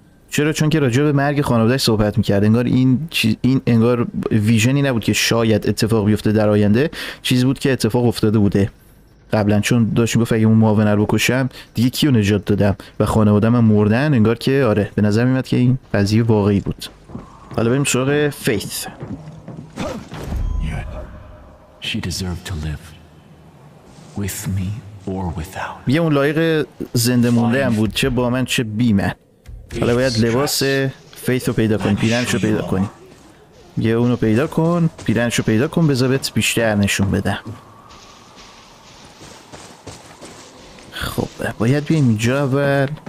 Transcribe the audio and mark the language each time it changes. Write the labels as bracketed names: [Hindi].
[Persian] چرا؟ چون که راجع به مرگ خانوادهش صحبت میکرد، انگار این انگار ویژنی نبود که شاید اتفاق بیفته در آینده، چیز بود که اتفاق افتاده بوده قبلا، چون داشتیم گفت اگه اون معاونه رو بکشم دیگه کیو نجات دادم و خانواده من مردن. انگار که آره، به نظر میمد که این قضیه واقعی بود. حالا بریم سراغ فیث. [English] She deserved to live with me or without. [Persian] یه اون لایق زنده مونده هم بود، چه با من چه بی من. حالا باید لباس فیث رو پیدا کنیم، پیرنش رو پیدا کنیم. یه اونو پیدا کن، پیرنش رو پیدا کن، بذار بهت بیشتر نشون بدم. خب باید بیایم اینجا اول.